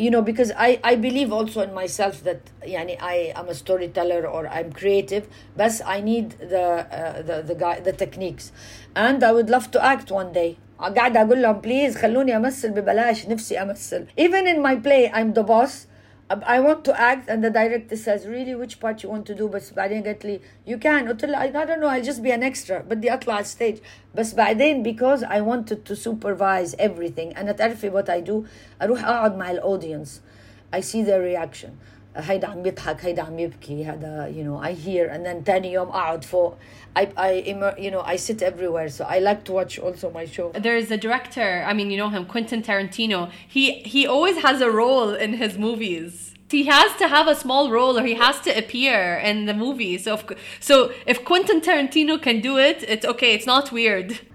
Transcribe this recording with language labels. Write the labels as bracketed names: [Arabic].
[English] because I believe also in myself that يعني, I am a storyteller or I'm creative, but I need the techniques. And I would love to act one day. [Arabic] قاعد أقول لهم, please, خلوني أمثل ببلاش, نفسي أمثل. [English] Even in my play, I'm the boss. I want to act, and the director says, really, which part you want to do? But [Arabic] بعدين قلت لي, [English] you can. I don't know, I'll just be an extra. But the [Arabic] أطلع [English] stage. But [Arabic] بعدين, [English] because I wanted to supervise everything, and [Arabic] أتعرفي [English] what I do, [Arabic] أروح أقعد مع الأودينس. [English] I see their reaction. [Arabic] هيدا عم يضحك, هيدا عم يبكي, هيدا, [English] I hear. And then [Arabic] تاني يوم أقعد فوق. [English] I sit everywhere, so I like to watch also my show. There's a director, I mean, you know him, Quentin Tarantino. He always has a role in his movies. He has to have a small role or he has to appear in the movie. So if Quentin Tarantino can do it, it's okay, it's not weird.